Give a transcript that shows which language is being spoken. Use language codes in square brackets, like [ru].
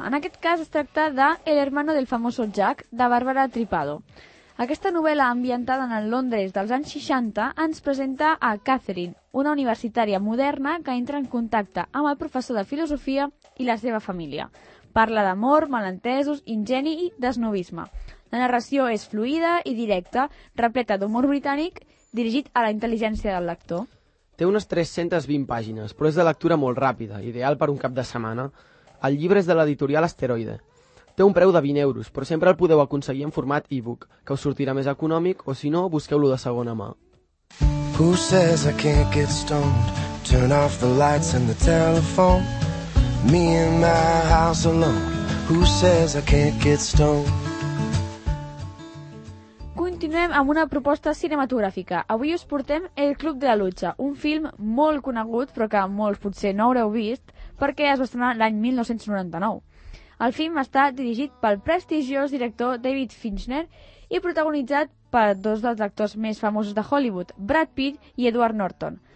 [ca] En aquest cas es tracta de El hermano del famoso Jack, de Bárbara Tripado. Aquesta novel·la ambientada en el Londres dels anys 60 ens presenta a Catherine, una universitària moderna que entra en contacte amb el professor de filosofia i la seva família. Parla d'amor, malentesos, ingeni i desnovisme. La narració és fluida i directa, repleta d'humor britànic, dirigit a la intel·ligència del lector. Té unes 320 pàgines, però és de lectura molt ràpida, ideal per un cap de setmana. El llibre és de l'editorial Asteroide. Té un preu de 20 euros, però sempre el podeu aconseguir en format e-book, que us sortirà més econòmic, o si no, busqueu-lo de segona mà. [en] Who says I can't get stoned? Turn off the lights and the telephone. Me and my house alone. Who says I can't get stoned? [ca] Continuem amb una proposta cinematogràfica. Avui us portem El Club de la Lucha, un film molt conegut, però que molts potser no haureu vist, perquè es va estrenar l'any 1999. El film està dirigit pel prestigiós director David Fincher i protagonitzat per dos dels actors més famosos de Hollywood, Brad Pitt i Edward Norton.